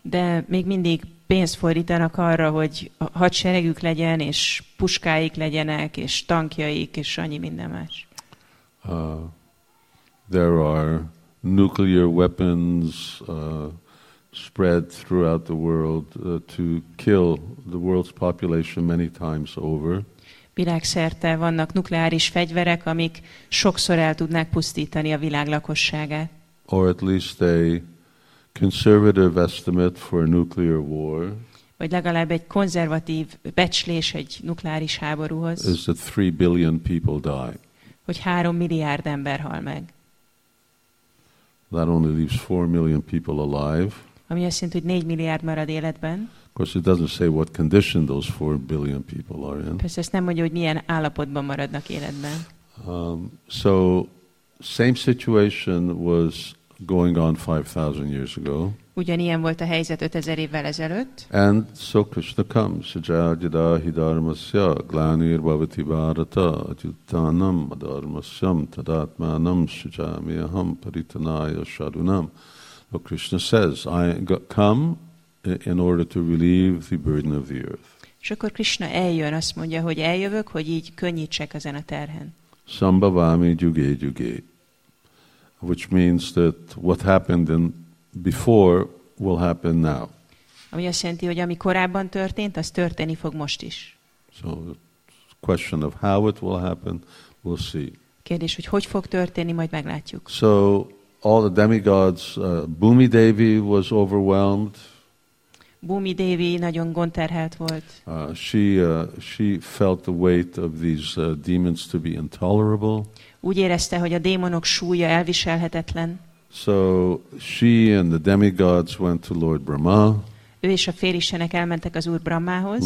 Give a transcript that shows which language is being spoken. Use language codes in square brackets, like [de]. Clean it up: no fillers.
[hu] De még mindig pénzt fordítanak arra, hogy hadseregük legyen, és puskáik legyenek, és tankjaik, és annyi minden más. [en] There are nuclear weapons spread throughout the world to kill the world's population many times over. [hu] Világszerte vannak nukleáris fegyverek, amik sokszor el tudnák pusztítani a világ lakosságát. [en] Or at least a conservative estimate for a nuclear war. [hu] Vagy legalább egy konzervatív becslés egy nukleáris háborúhoz. [en] Is that 3 billion people die. [hu] Hogy 3 milliárd ember hal meg. [en] That only leaves 4 million people alive. [hu] Ami azt jelenti, hogy 4 milliárd marad életben. [en] Of course, it doesn't say what condition those 4 billion people are in. [hu] Persze, ezt nem mondja, hogy milyen állapotban maradnak életben. [en] So, same situation was going on 5,000 years ago. [hu] Ugyanilyen volt a helyzet 5,000 évvel ezelőtt. [en] And so Krishna comes. [sa] Jajajida hidharmasya glanir bhavati bharata ajutanam adharmasyam tadatmanam sujamiyaham paritanaya sharunam. [en] So Krishna says, I come in order to relieve the burden of the earth. [hu] És akkor Krishna eljön, azt mondja, hogy eljövök, hogy így könnyítsek ezen a terhen. [sa] Sambhavami yuge yuge, [en] which means that what happened in before will happen now. [hu] Ami azt jelenti, hogy ami korábban történt, az történni fog most is. [en] So the question of how it will happen, we'll see. [hu] Kérdés, hogy hogy fog történni, majd meglátjuk. [en] So all the demigods, Bhumi Devi was overwhelmed. [hu] Bhumi Devi nagyon gondterhelt volt. [en] She felt the weight of these demons to be intolerable. [hu] Úgy érezte, hogy a démonok súlya elviselhetetlen. [en] So she and the demigods went to Lord Brahma. [hu] Ő és a férjének elmentek az Úr Brahmához.